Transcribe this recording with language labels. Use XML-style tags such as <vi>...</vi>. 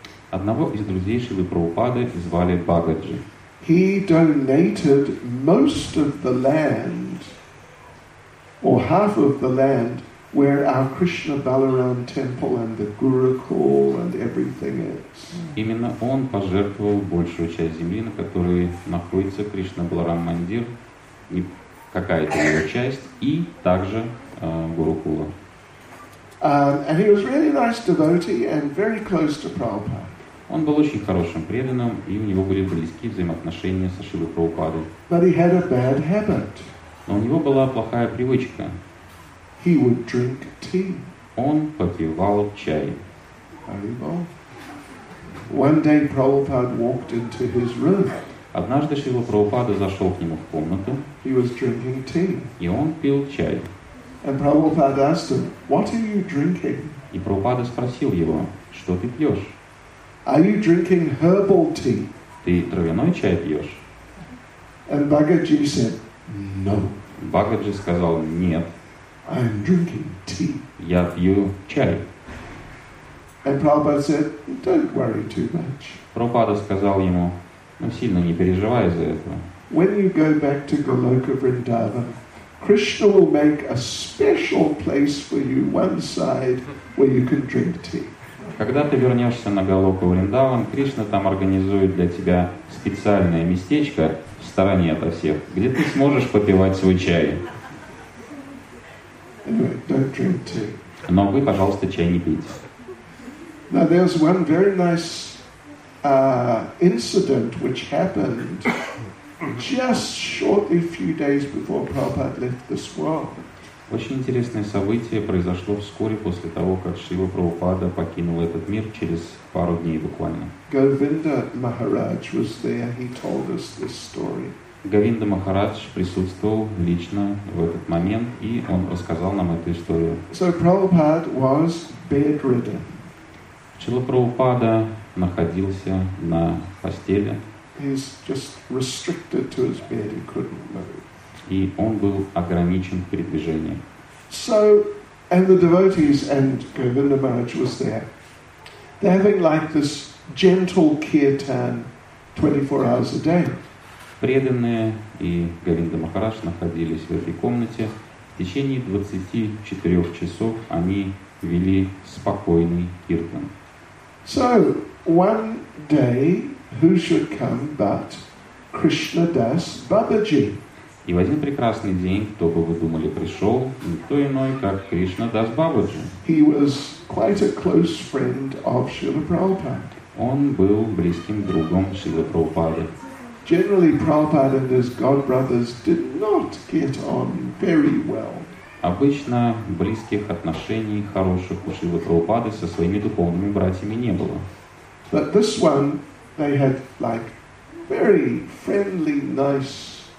<ru>Одного из друзей Шрилы Прабхупады звали Бхагатджи.</ru> <en>He donated most of the land. Or half of the land where our Krishna Balaram temple and the Gurukul and everything is.</en> <ru>Именно он пожертвовал большую часть земли, на которой находится Кришна Баларам Мандир, и какая-то его часть, и также Гурукула.</ru> <en>And he was really nice devotee and very close to Prabhupada.</en> <ru>Он был очень хорошим преданным, и у него были близкие взаимоотношения со Шрилой Прабхупадой.</ru> <en>But he had a bad habit.</en> <ru>Но у него была плохая привычка.</ru> <en>He would drink tea.</en> <ru>Он попивал чай.</ru> <en>Haribol. One day Prabhupada walked into his room.</en> <ru>Однажды Шрила Прабхупада зашел к нему в комнату.</ru> <en>He was drinking tea.</en> <ru>И он пил чай.</ru> <en>And Prabhupada asked him, "What are you drinking?"</en> <ru>И Прабхупада спросил его, что ты пьешь?</ru> <en>Are you drinking herbal tea?</en> <ru>Ты травяной чай пьешь?</ru> <en>And Bhagavad Gita said, "No."</en> <ru>Bhagavad Gita сказал нет.</ru> <en>I'm drinking tea.</en> <ru>Я пью чай.</ru> <en>And Prabhupada said, "Don't worry too much."</en> <ru>Прабхупада сказал ему, ну сильно не переживай из-за этого.</ru> <en>When you go back to Goloka Vrindavan, Krishna will make a special place for you one side where you can drink tea.</en> <ru>Когда ты вернешься на Голоку Вриндаван, Кришна там организует для тебя специальное местечко в стороне ото всех, где ты сможешь попивать свой чай.</ru> <en>Anyway, don't drink tea.</en> <ru>Но вы, пожалуйста, чай не пейте.</ru> <en>Now there's one very nice incident which happened just shortly a few days before Prabhupada left this world.</en> <ru>Очень интересное событие произошло вскоре после того, как Шрила Прабхупада покинул этот мир через пару дней буквально.</ru> <en>Говинда Махарадж was there. He told us this story.</en> <ru>Говинда Махарадж присутствовал лично в этот момент, и он рассказал нам эту историю.</ru> <en>So Prabhupada was bedridden.</en> <ru>Шрила Прабхупада находился на постели.</ru> <en>He's just restricted to his bed. He couldn't move.</en> <ru>И он был ограничен в передвижении.</ru> <en>So, and the devotees and Govinda Maharaj was there. They're having like this gentle kirtan 24 hours a day.</en> <ru>Преданные и Говинда Махарадж находились в этой комнате. В течение 24 часов они вели спокойный киртан.</ru> <en>So, one day, who should come but Krishna Das Babaji?</en> <ru>И в один прекрасный день, кто бы вы думали, пришел никто иной, как Кришна Дас Бабаджи.</ru> <en>He was quite a close friend of Srila Prabhupada.</en> <ru>Он был близким другом Шрилы Прабхупады.</ru> <en>Generally, Prabhupada and his god brothers did not get on very well.</en> <ru>Обычно близких отношений хороших у Шрилы Прабхупады со своими духовными братьями не было.</ru> <en>But this one, they had like very friendly, nice.</en>